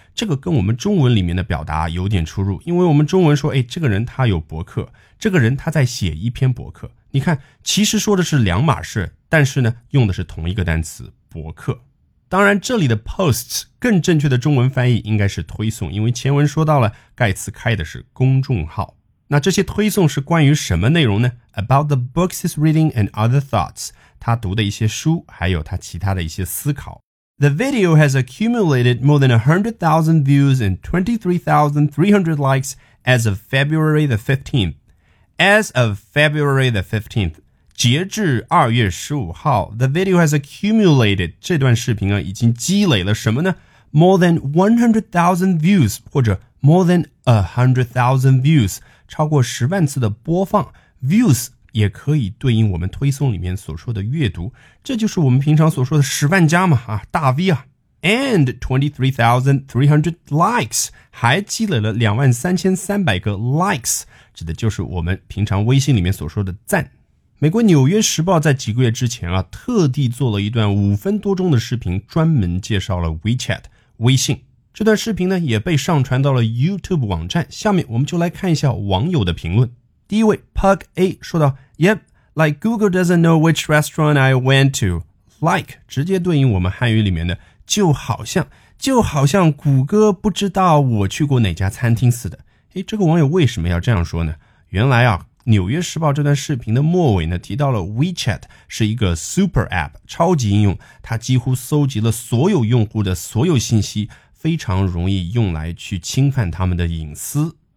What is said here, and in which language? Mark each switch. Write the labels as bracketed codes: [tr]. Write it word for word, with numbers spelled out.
[zh] 这个跟我们中文里面的表达有点出入，因为我们中文说，哎，这个人他有博客，这个人他在写一篇博客。你看，其实说的是两码事，但是呢，用的是同一个单词博客。当然，这里的 posts 更正确的中文翻译应该是推送，因为前文说到了盖茨开的是公众号。那这些推送是关于什么内容呢？ [en] About the books he's reading and other thoughts. [zh] 他读的一些书，还有他其他的一些思考。 [en] The video has accumulated more than one hundred thousand views and twenty-three thousand three hundred likes as of February the fifteenth. As of February the fifteenth, [zh] 截至二月十五号 [en] the video has accumulated, [zh] 这段视频啊已经积累了什么呢？ [en] More than one hundred thousand views, [zh] 或者 [en] more than one hundred thousand views, [zh] 超过十万次的播放 views也可以对应我们推送里面所说的阅读，这就是我们平常所说的十万加嘛，啊，大 V 啊。 [en] And twenty-three thousand three hundred likes, [zh] 还积累了两万三千三百个 likes, 指的就是我们平常微信里面所说的赞。美国纽约时报在几个月之前啊，特地做了一段五分多钟的视频，专门介绍了 WeChat 微信。这段视频呢，也被上传到了 YouTube 网站，下面我们就来看一下网友的评论。第一位 [en] Pug A [zh] 说到 [en] Yep, like Google doesn't know which restaurant I went to. [zh] Like 直接对应我们汉语里面的就好像就好像谷歌不知道我去过哪家餐厅似的。诶，这个网友为什么要这样说呢？原来啊，纽约时报这段视频的末尾呢，提到了 WeChat 是一个 super app 超级应用，它几乎搜集了所有用户的所有信息，非常容易用来去侵犯他们的隐私。